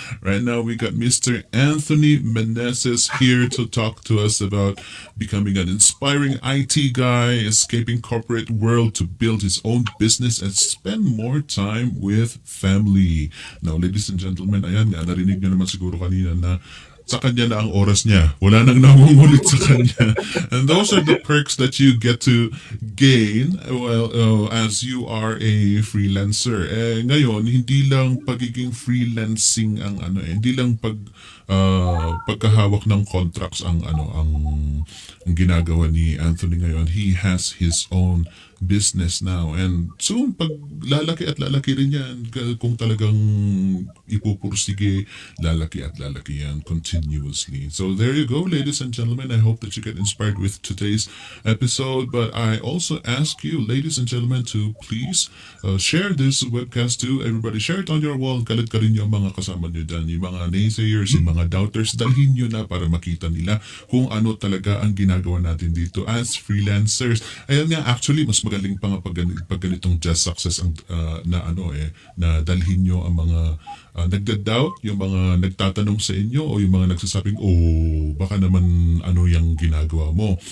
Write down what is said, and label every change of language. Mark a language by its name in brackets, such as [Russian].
[English] Right now, we got Mr. Anthony Meneses here to talk to us about becoming an inspiring IT guy, escaping corporate world to build his own business, and spend more time with family. Now, ladies and gentlemen, [Filipino] ayan nga, narinig nyo naman siguro kanina na sa kanya na ang oras niya. Wala nang namumulit sa kanya. [English] And those are the perks that you get to gain as you are a freelancer. [Filipino] Eh, ngayon, hindi lang pagiging freelancing ang ano eh. Hindi lang pagkahawak ng contracts ang ano ang ginagawa ni Anthony ngayon. [English] He has his own business now. [Filipino] And soon, pag lalaki at lalaki rin yan, kung talagang ipupursige, lalaki at lalaki yan continuously. [English] So there you go, ladies and gentlemen. I hope that you get inspired with today's episode. But I also ask you, ladies and gentlemen, to please share this webcast to everybody. Share it on your wall. [Filipino] Galit ka rin yung mga kasama nyo dyan, yung mga naysayers, yung mga doubters. Dalhin nyo na para makita nila kung ano talaga ang ginagawa natin dito [English] as freelancers. [Filipino] Ayan nga, actually, mas magaling pa nga pag ganitong just success ang na dalhin nyo ang mga nagda-doubt, yung mga nagtatanong sa inyo o yung mga nagsasabing, baka naman ano yung ginagawa mo.